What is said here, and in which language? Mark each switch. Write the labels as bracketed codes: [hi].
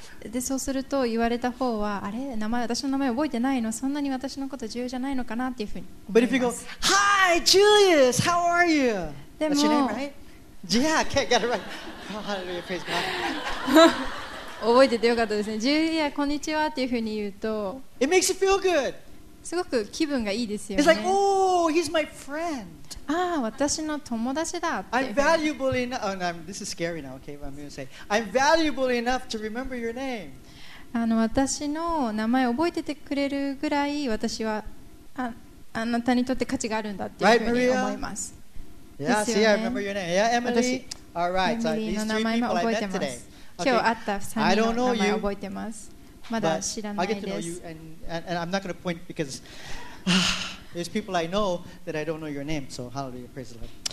[ja] で、そうすると言われた方は、あれ、私の名前覚えてないの、そんなに私のこと重要じゃないのかなっていうふうに思います。 [en] But if you go, hiHi, Julius, how are you? That's your name, right? Yeah, I can't get it right. Hallelujah, praise God. [ja] 覚えててよかったですね。 Julia, こんにちはっていうふうに言うと、 [en] It makes you feel good. [ja] すごく気分がいいですよね。 [en] It's like, oh, he's my friend. [ja] ああ、私の友達だ。 [en] I'm valuable enough. Oh, no, this is scary now, okay? But I'm going to say, I'm valuable enough to remember your name. [ja] 私の名前覚えててくれるぐらい私は、あなたにとって価値があるんだっていうふうに思います。 [en] Yeah, see, I remember your name. Yeah, Emily. All right, so these three people I met today. [ja] 今日会った3人の名前覚えてます。まだ知らないです。 [en] I get to know you, and I'm not going to point because there's people I know that I don't know your name. So hallelujah, praise the Lord.